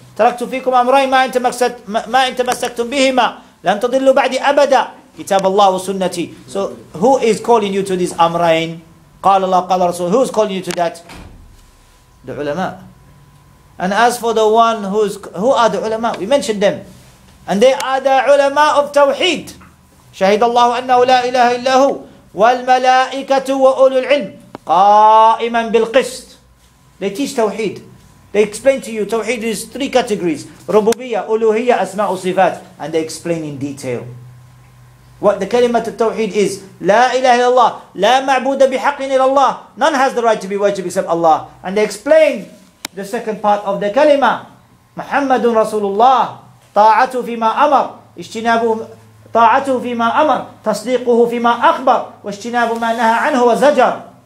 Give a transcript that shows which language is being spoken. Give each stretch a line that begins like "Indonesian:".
Arabic: تَرَكْتُ فِيكُمْ أَمْرَيْنِ مَا إِنْ تَمَسَّكْتُمْ بِهِمَا لَنْ تَضِلُّ بَعْدِ أَبَدًا كِتَابَ اللَّهُ وَسُنَّتِي.
English: So who is calling you to this
Arabic: أمرين؟ قال الله قال رسول.
English: Who is calling you to that? The ulama. And as for the one who are the ulama, we mentioned them. And they are the ulama of Tawheed.
Arabic: شهد الله أنه لا إله إلا هو والملائكة وأولو العلم قائما بالقسط.
English: They teach Tawheed. They explain to you Tawheed is three categories. Rububiyya, Uluhiyya, Asma, Sifat. And they explain in detail what the kalima of Tawheed is.
Arabic: لا إله إلا الله لا معبود بحق إلا الله.
English: None has the right to be worshipped except Allah. And they explain the second part of the kalima.
Arabic: Muhammadun Rasulullah. طاعته فيما أمر اجتنابه طاعته فيما أمر تصديقه فيما أخبر واجتناب ما نهى عنه وزجر.